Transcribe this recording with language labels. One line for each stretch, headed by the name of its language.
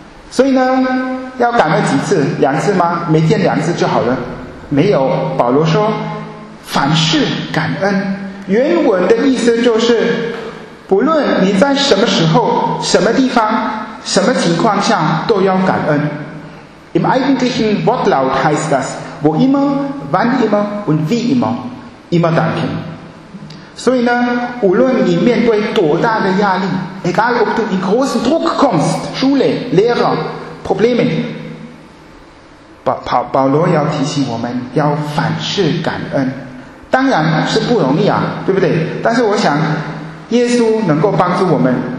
Chinese: 所以呢，要感恩几次？两次吗？每天两次就好了。没有，保罗说，凡事感恩。原文的意思就是，不论你在什么时候、什么地方、什么情况下都要感恩。
German: Im eigentlichen Wortlaut heißt das, wo immer, wann immer und wie immer, immer danken。
Chinese: 所以呢，无论你面对多大的压力 ，
German: egal ob du in großen Druck kommst, Schule, Lehrer, Probleme，
Chinese: 保罗要提醒我们要凡事感恩。当然是不容易啊，对不对？但是我想，耶稣能够帮助我们。